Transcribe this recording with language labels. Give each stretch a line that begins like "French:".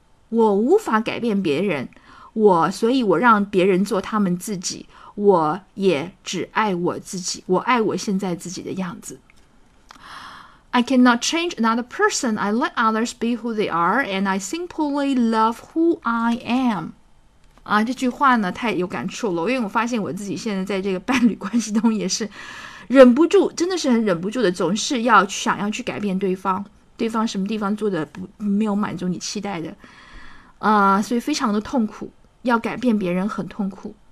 Chinese: 我无法改变别人，所以我让别人做他们自己，我也只爱我自己，我爱我现在自己的样子。
English: I cannot change another person, I let others be who they are, and I simply love who I am.
Chinese: 啊，这句话呢太有感触了，因为我发现我自己现在在这个伴侣关系中也是忍不住，真的是很忍不住的，总是要想要去改变对方，对方什么地方做的不没有满足你期待的，所以非常的痛苦，要改变别人很痛苦，